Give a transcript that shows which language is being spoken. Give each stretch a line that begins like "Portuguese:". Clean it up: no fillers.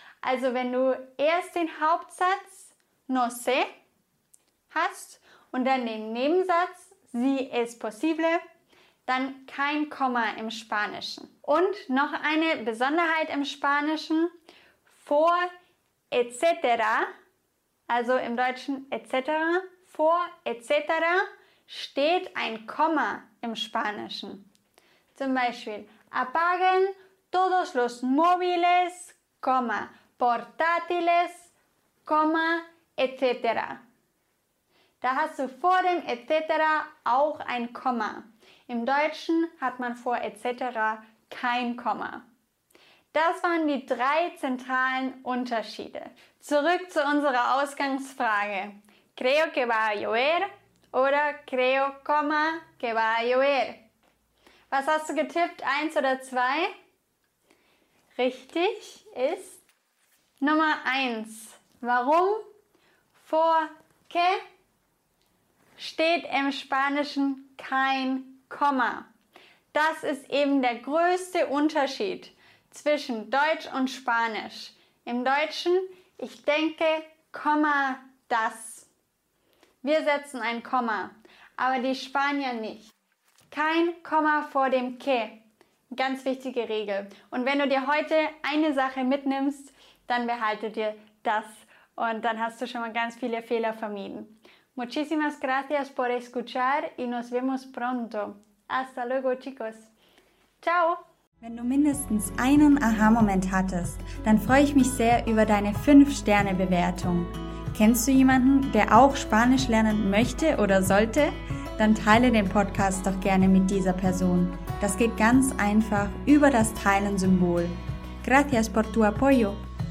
German: Also wenn du erst den Hauptsatz
Spanish: no sé
German: hast und dann den Nebensatz
Spanish: si es posible,
German: dann kein Komma im Spanischen. Und noch eine Besonderheit im Spanischen. Vor etc., also im Deutschen etc., vor etc. steht ein Komma im Spanischen. Zum Beispiel
Spanish: apaguen todos los móviles, coma, portátiles, coma, etc.
German: Da hast du vor dem etc. auch ein Komma. Im Deutschen hat man vor etc. kein Komma. Das waren die drei zentralen Unterschiede. Zurück zu unserer Ausgangsfrage.
Spanish: Creo que va a llover
German: oder
Spanish: creo, coma, que va a llover.
German: Was hast du getippt? 1 oder 2? Richtig ist Nummer 1. Warum? Vor que steht im Spanischen kein Komma. Das ist eben der größte Unterschied zwischen Deutsch und Spanisch. Im Deutschen, ich denke, Komma, das. Wir setzen ein Komma, aber die Spanier nicht. Kein Komma vor dem que. Ganz wichtige Regel. Und wenn du dir heute eine Sache mitnimmst, dann behalte dir das. Und dann hast du schon mal ganz viele Fehler vermieden.
Spanish: Muchísimas gracias por escuchar y nos vemos pronto. Hasta luego, chicos. Ciao!
German: Wenn du mindestens einen Aha-Moment hattest, dann freue ich mich sehr über deine 5-Sterne-Bewertung. Kennst du jemanden, der auch Spanisch lernen möchte oder sollte? Dann teile den Podcast doch gerne mit dieser Person. Das geht ganz einfach über das Teilen-Symbol.
Spanish: Gracias por tu apoyo.